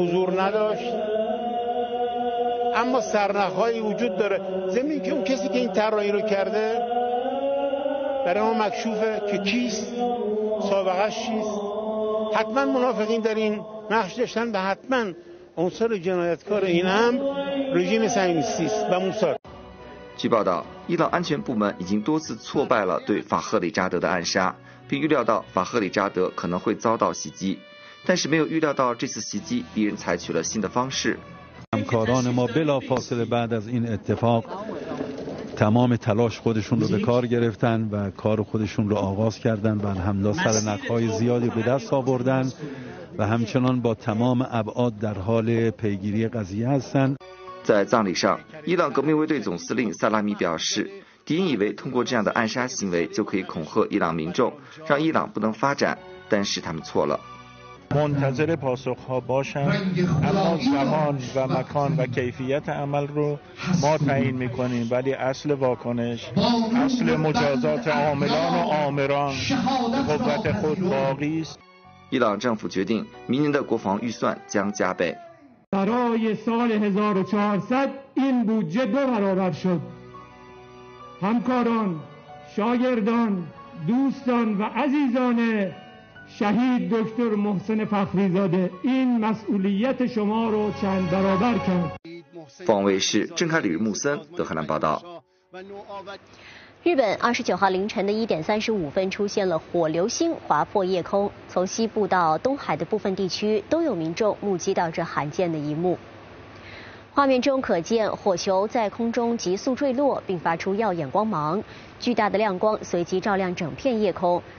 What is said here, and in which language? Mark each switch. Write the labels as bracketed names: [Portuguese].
[Persian] اما سرنخ‌هایی وجود داره زمین که اون کسی که این طراحی رو کرده برای ما مکشوفه که کیست سابقه‌اش چیست حتما منافقین در این نقش داشتن و حتما عنصر جنایتکار این هم رژیم صهیونیستی است و موساد [Chinese] 据报道，伊朗安全部门已经多次挫败了对法赫里扎德的暗杀，并预料到法赫里扎德可能会遭到袭击，但是没有预料到这次袭击敌人采取了新的方式。 [Persian] همکاران ما بلافاصله بعد از این اتفاق تمام تلاش خودشون رو به کار گرفتن و کار خودشون رو آغاز کردن و همدا سرنخ‌های زیادی به دست آوردن و همچنان با تمام ابعاد در حال پیگیری قضیه هستن [Chinese] 在葬礼上，伊朗革命卫队总司令萨拉米表示，敌人以为通过这样的暗杀行为就可以恐吓伊朗民众，让伊朗不能发展，但是他们错了。 [Persian] منتظر پاسخ ها باشم اما زمان و مکان و کیفیت عمل رو ما تعیین میکنیم ولی اصل واکنش اصل مجازات عاملان و آمران قوت خود باقی است [Chinese] 伊朗政府决定明年的国防预算将加倍 [Persian] برای سال 1400 این بودجه دو برابر شد همکاران شاگردان دوستان و عزیزان شهید دکتر محسن فخری زاده این مسئولیت شما رو چند برابر کرد. [Chinese] 方卫视郑凯吕木森德黑兰报道。日本29号凌晨的1:35出现了火流星划破夜空，从西部到东海的部分地区都有民众目击到这罕见的一幕。画面中可见火球在空中急速坠落，并发出耀眼光芒，巨大的亮光随即照亮整片夜空。